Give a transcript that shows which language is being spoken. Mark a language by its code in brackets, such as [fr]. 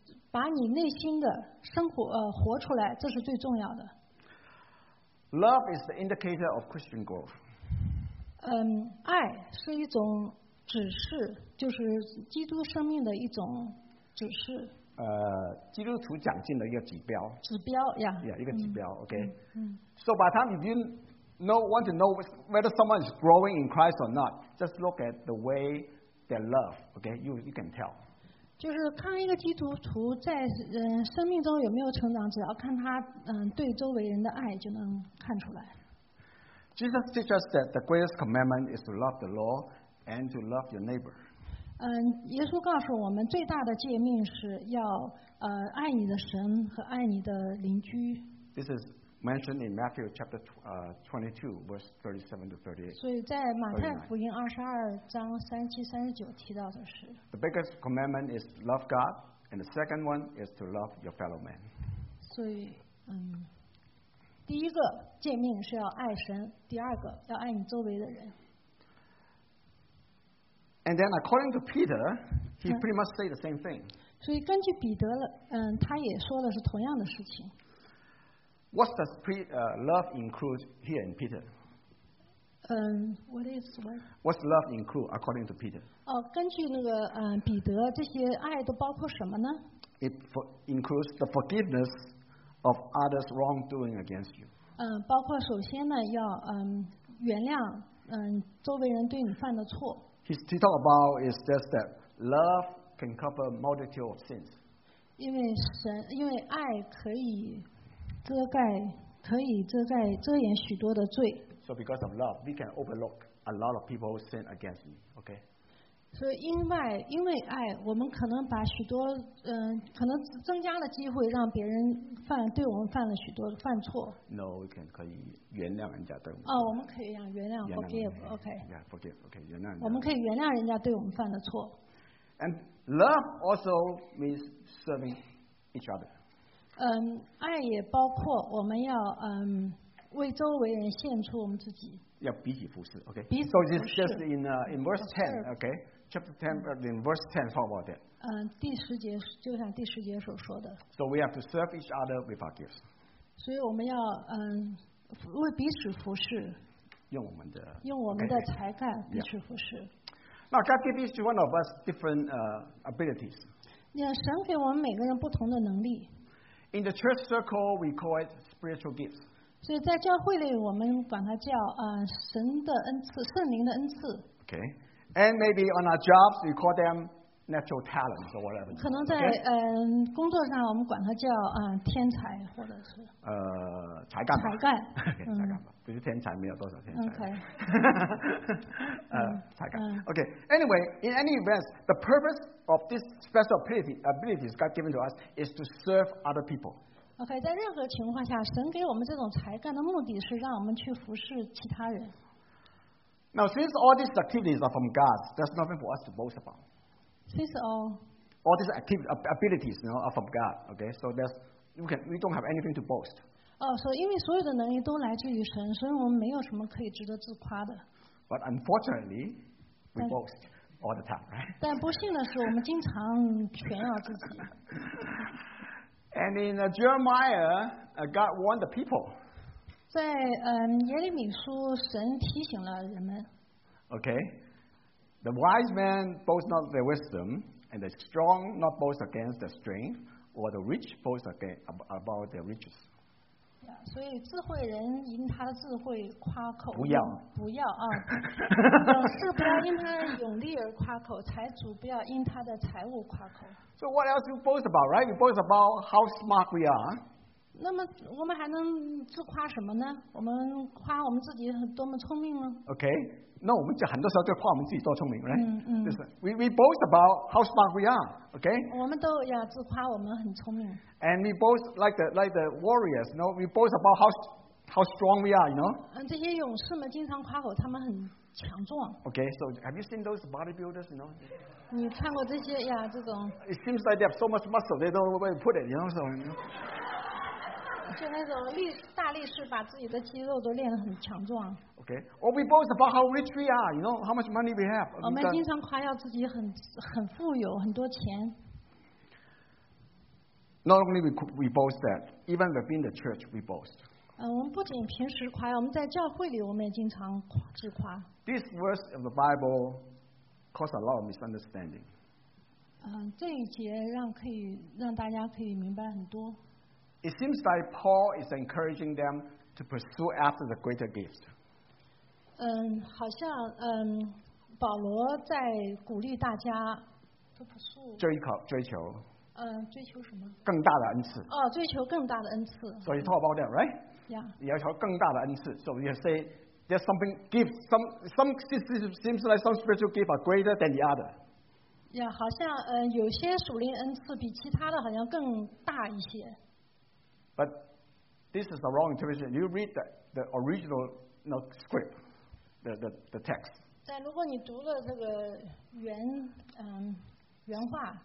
[zh] 把你内心的生活活出来，这是最重要的。 [en] Love is the indicator of Christian growth. [zh] 爱是一种指示，就是基督生命的一种指示。基督徒长进的一个指标。指标呀。 Yeah, 一个指标。Okay. 嗯。 [en] So by the time you want to know whether someone is growing in Christ or not, just look at the way they love. Okay, you can tell. [zh] 就是看一个基督徒在生命中有没有成长，只要看他对周围人的爱就能看出来。 [en] Jesus teaches us that the greatest commandment is to love the Lord and to love your neighbor. [zh] 耶稣告诉我们最大的诫命是要爱你的神和爱你的邻居。 [en] This is mentioned in Matthew chapter 22, verse 37 to 38. [zh] 所以在马太福音22章37-39提到的是。 [en] The biggest commandment is love God, and the second one is to love your fellow man. [zh] 所以第一个诫命是要爱神，第二个要爱你周围的人。 [en] And then according to Peter, he pretty much say the same thing. [zh] 所以根据彼得他也说的是同样的事情。 [en] What does love include here in Peter? What's love include according to Peter? [zh] 根据那个彼得这些爱都包括什么呢？ [en] It includes the forgiveness. Of others' wrongdoing against you. [zh] 包括首先呢，要原谅周围人对你犯的错。 [en] He talk about is just that love can cover multitude of sins. [zh] 因为爱可以遮盖遮掩许多的罪。 [en] So because of love, we can overlook a lot of people's sin against me. Okay. [zh] 所以因外因为爱，我们可能把许多可能增加了机会让别人犯对我们犯了许多的犯错。 [en] No, we can [zh] 可以原谅人家对我们。哦，我们可以原谅 forgive, okay. [en] Yeah, forgive, okay, 原谅。 [zh] 我们可以原谅人家对我们犯的错。 [en] And love also means serving each other. [zh] 爱也包括我们要为周围人献出我们自己。要彼此服侍 ，OK。 [en] So this is just in verse 10, OK, chapter 10, in verse 10, talk about that. [zh] 第十节就像第十节所说的。 [en] So we have to serve each other with our gifts. [zh] 所以我们要为彼此服侍。用我们的才干彼此服侍。 [en] Now God gave each one of us different abilities. [zh] 神给我们每个人不同的能力。 [en] In the church circle, we call it spiritual gifts. [zh] 所以在教会里我们管它叫神的恩赐，圣灵的恩赐。 [en] Okay. And maybe on our jobs, we call them natural talents or whatever. [zh] 可能在、 [en] okay. [zh] 工作上我们管它叫天才或者是。才干吧。才干。不是天才，没有多少天才。 [en] Okay. [zh] 才干。Okay. [en] Anyway, in any event, the purpose of this special abilities God given to us is to serve other people. [zh] OK, 在任何情况下神给我们这种才干的目的是让我们去服侍其他人。 [en] Now, since all these activities are from God, there's nothing for us to boast about. Since all these abilities, you know, are from God, okay? So we don't have anything to boast. [zh] 所以因为所有的能力都来自于神，所以我们没有什么可以值得自夸的。 [en] But unfortunately, we boast all the time, right? [zh] 但不幸的是我们经常炫耀自己。 [en] And in Jeremiah, God warned the people. [zh] 在耶利米书，神提醒了人们。 [en] Okay, the wise man boasts not their wisdom, and the strong not boast against their strength, or the rich boast about their riches. [zh] Yeah, 所以智慧人因他的智慧夸口。不要啊！勇士不要因他的勇力而夸口，财主不要因他的财物夸口。 [en] So what else you boast about, right? You boast about how smart we are. [zh] 那么我们还能自夸什么呢？我们夸我们自己多么聪明吗？ Okay, 那我们就很多时候就夸我们自己多聪明， right? 就是 [en] we boast about how smart we are, okay? [zh] 我们都要自夸我们很聪明。 [en] And we boast like the warriors, you know? We boast about how strong we are, you know? [zh] 这些勇士们经常夸口他们很强壮。 [en] Okay, so have you seen those bodybuilders, you know? [zh] 你看过这些呀？这种 [en] ，It seems like they have so much muscle, they don't know where to put it. You know, so [zh] 就那种大力士把自己的肌肉都练得很强壮。 [en] Okay, or we boast about how rich we are. You know how much money we have. [zh] 我们经常夸耀自己很富有，很多钱。 [en] Not only we boast that, even within the church we boast. [zh] 我们不仅平时夸耀，我们在教会里我们也经常自夸。 [en] This verse of the Bible. Cause a lot of misunderstanding. [zh] 这一节让大家可以明白很多。 [en] It seems like Paul is encouraging them to pursue after the greater gift. [zh] 好像保罗在鼓励大家都不是追求。追求什么？更大的恩赐。追求更大的恩赐。 [en] So he talk about that, right? Yeah. [zh] 要求更大的恩赐。 [en] So you say. There's something gifts, some seems like some spiritual gifts are greater than the other. [zh] Yeah, 好像有些属灵恩赐比其他的好像更大一些。 [en] But this is the wrong interpretation. You read the original script, the text. [zh] 在如果你读了这个原话。